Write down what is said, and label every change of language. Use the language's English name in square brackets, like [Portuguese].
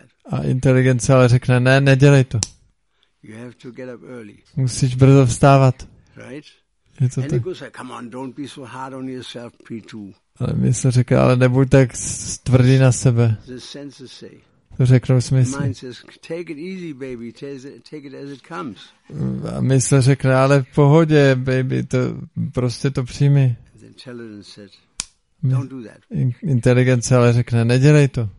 [Czech] A inteligence ale řekne, ne, nedělej to. [English] You have to get up early. [Czech] Musíš brzo vstávat. [English] Right? [Czech] Je to tak. [English] Come on, don't be so hard on yourself, Prýtu. [Czech] Ale mysl říká, ale nebuď tak tvrdý na sebe. [English] The senses say. [Czech] To řeknou smysl. [English] Mind says, take it easy, baby. Take it as it comes. [Czech] A mysl říká, ale v pohodě, baby, to prostě to přijmi. [English] The intelligence said, don't do that. [Czech] Inteligence ale řekne, nedělej to.